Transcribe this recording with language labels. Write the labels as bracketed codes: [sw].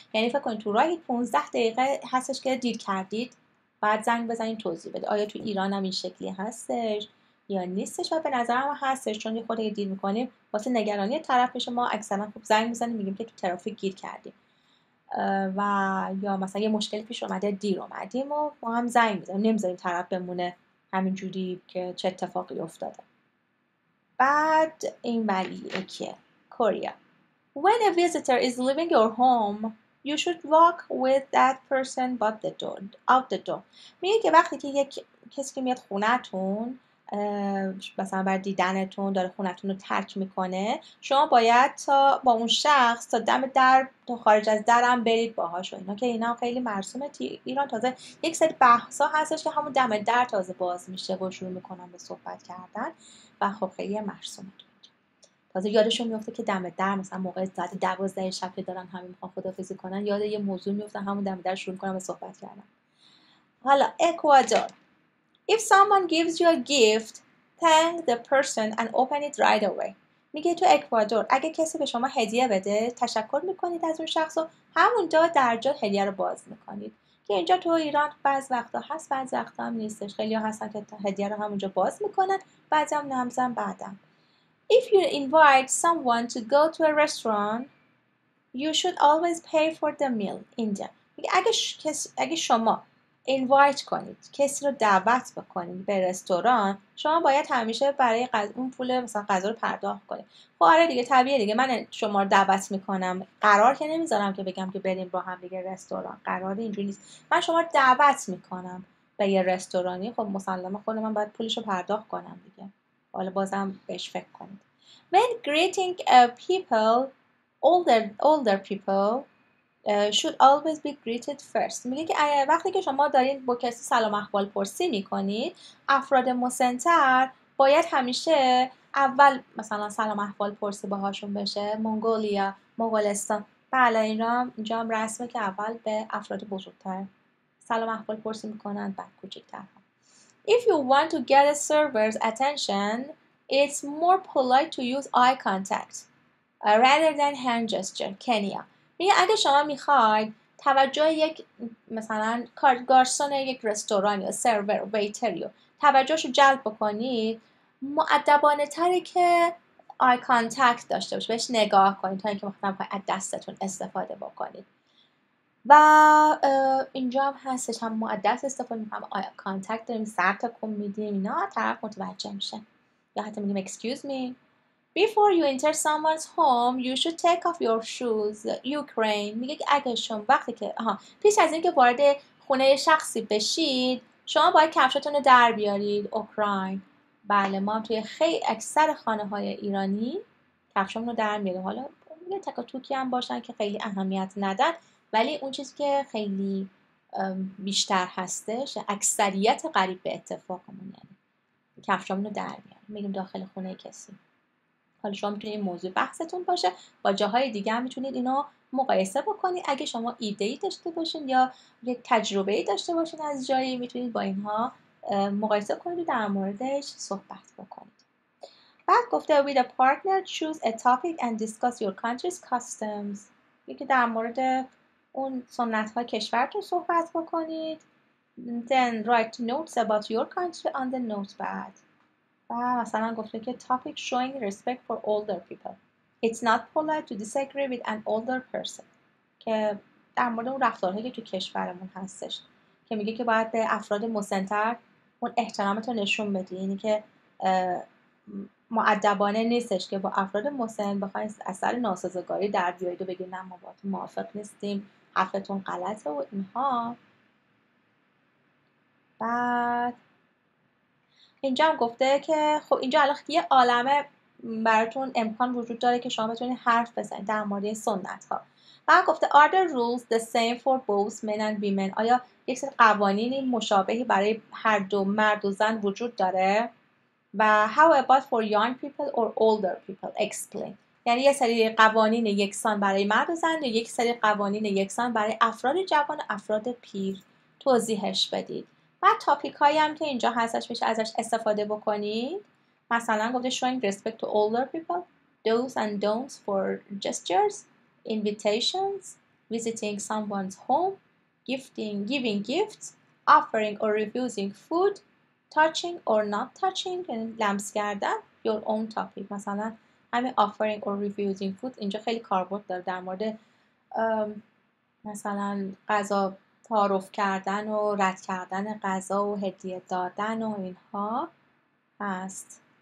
[fa] یعنی فکر کنید تو راهی 15 دقیقه هستش که دیر کردید بعد زنگ بزنید توضیح بدید. آیا تو ایران هم این شکلی هستش یا نیستش؟ و به نظرم هستش چون یه خورده دیر میکنیم واسه نگرانی طرف شما اکثرا خوب زنگ میزنیم میگیم که تو ترافیک گیر کردیم و یا مثلا یه مشکلی پیش اومده دیر اومدیم و ما هم زنگ میزنیم نمیذاریم طرف بمونه همین جوری که چه اتفاقی افتاده. بعد این ولی یکیه کوریا. [en] When a visitor is leaving your home, you should walk with that person out the door. [fa] میگه که وقتی که یک کسی میاد خونتون مثلا برای دیدنتون داره خونتون رو ترک میکنه، شما باید تا با اون شخص تا دم در تا خارج از درم برید باهاش. اینا که اینا خیلی مرسومه تی ایران. تازه یک سری بحثا هستش که همون دم در تازه باز میشه و شروع میکنن به صحبت کردن و خب خیلی مرسومه. تازه یادشون میفته که دم در مثلا موقع ساعت 12 شب دارن همین میخوان خدافظی کنن، یاد یه موضوع میفته همون دم در شروع میکنن به صحبت کردن. حالا اکوادور. [en] If someone gives you a gift, thank the person and open it right away. [fa] میگه تو اکوادور اگه کسی به شما هدیه بده تشکر میکنید از اون شخص و همونجا در جا هدیه رو باز میکنید. که اینجا تو ایران بعض وقتا هست بعض وقتا هم نیستش. خیلی ها هستن که هدیه رو همونجا باز میکنن بعضی هم نمزن بعدم. [en] If you invite someone to go to a restaurant, you should always pay for the meal. [fa] اینجا میگه اگه شما اینوایت کنید کسی رو دعوت بکنید به رستوران، شما باید همیشه برای اون پول مثلا غذا رو پرداخت کنید. خب آره دیگه طبیعیه دیگه، من شما رو دعوت میکنم، قرار که نمیذارم که بگم که بریم با هم دیگه رستوران، قرار اینجوری نیست. من شما رو دعوت میکنم به یه رستورانی، خب مسلمه خودم من باید پولش رو پرداخت کنم دیگه. حالا بازم بهش فکر کنید. [en] When greeting people, older people should always be greeted first. [fa] میگه که وقتی که شما دارین با کسی سلام احوال پرسی میکنید، افراد مسن‌تر باید همیشه اول مثلا سلام احوال پرسی باهاشون بشه. منگولیا، مغولستان، بله اینا اینجا هم رسمه که اول به افراد بزرگتر سلام احوال پرسی میکنن بعد کوچیک‌ترها. [en] If you want to get a server's attention, it's more polite to use eye contact rather than hand gesture. [fa] کنیا میگه اگه شما میخواید توجه یک مثلا گارسون یک رستوران یا سرور ویتر یا توجهش رو جلب بکنید، مؤدبانه تره که آی کانتکت داشته باشه، بهش نگاه کنید تا اینکه مثلا از دستتون استفاده بکنید. و اینجا هم هستش هم مؤدب استفاده میکنم آی کانتکت داریم، سر تکون میدیم اینا طرف متوجه میشه، یا حتی میگیم [en] Excuse me. Before you enter someone's home, you should take off your shoes. Ukraine. [fa] میگه که اگه شما وقتی که پیش از اینکه وارد خونه شخصی بشید، شما باید کفشتون رو در بیارید. اوکراین. بله ما هم توی خیلی اکثر خانه های ایرانی کفشمون رو در میاریم. حالا یه تک توکی هم باشن که خیلی اهمیت ندن، ولی اون چیزی که خیلی بیشتر هستش اکثریت قریب به اتفاقمون یعنی کفشمون رو در میاریم. میگیم داخل خونه کسی. حالا شما میتونید این موضوع بحثتون باشه، با جاهای دیگه هم میتونید اینو مقایسه بکنید. اگه شما ایده‌ای داشته باشین یا یک تجربه‌ای داشته باشین از جایی میتونید با اینها مقایسه کنید و در موردش صحبت بکنید. بعد گفته [en] with a partner choose a topic and discuss your country's customs. [fa] یکی در مورد اون سنت های کشورتون صحبت بکنید. [en] Then write notes about your country on the notepad. [fa] مثلا گفته که [en] topic showing respect for older people. It's not polite to disagree with an older person. [fa] که در مورد اون رفتارهایی که تو کشورمون هستش. که میگه که باید به افراد مسن‌تر اون احترامت رو نشون بدی. اینی که مؤدبانه نیستش که با افراد مسن بخواید از سر ناسازگاری در بیایید و بگید نه ما باهات موافق نیستیم. حرفتون غلطه و اینها. بعد اینجا هم گفته که خب اینجا الان یه عالمه براتون امکان وجود داره که شما بتونید حرف بزنید در مورد سنت ها. بعد گفته [en] are the rules the same for both men and women؟ [fa] آیا یک سری قوانین مشابهی برای هر دو مرد و زن وجود داره؟ و [en] how about for young people or older people explain؟ [fa] یعنی یه سری قوانین یکسان برای مرد و زن یا یک سری قوانین یکسان برای افراد جوان و افراد پیر توضیحش بدید. بعد تاپیک هایی هم که اینجا هستش میشه ازش استفاده بکنید. مثلا گفته [en] showing respect to older people, do's and don'ts for gestures, invitations, visiting someone's home, giving gifts, offering or refusing food, touching or not touching, [fa] لمس کردن, [en] your own topic. [fa] مثلا همین [en] offering or refusing food [fa] اینجا خیلی کاربرد داره در مورد مثلا غذا تعارف کردن و رد کردن غذا و هدیه دادن و اینها هست.